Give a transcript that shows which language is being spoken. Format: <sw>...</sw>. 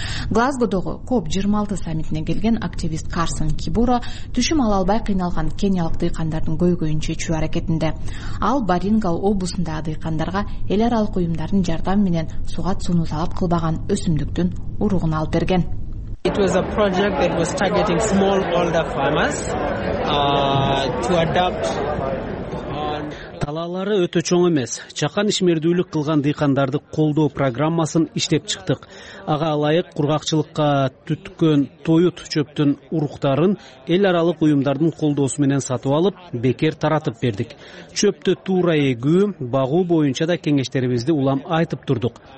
<ky>Глазгодогу COP26 саммитине келген активист Карсон Кибура түшүм ала албай кыйналган кениялык дыйкандардын көйгөйүн чечүү аракетинде. Ал Барингал облусундагы дыйкандарга эл аралык уюмдардын жардамы менен суга сууну талап кылбаган өсүмдүктүн уругун алып берген.</ky> <en>It was a project that was targeting smallholder farmers to adapt.</en> <ky>Талаалары өтө чоң эмес. Чакан ишмердүүлүк кылган дыйкандарды колдоо программасын иштеп чыктык. Ага ылайык кургакчылыкка түткөн тоют чөптүн уруктарын эл аралык уюмдардын колдоосу менен сатып алып, бекер таратып бердик. Чөптү туура эгүү, багуу боюнча да кеңештерибизди улам айтып турдук.</ky>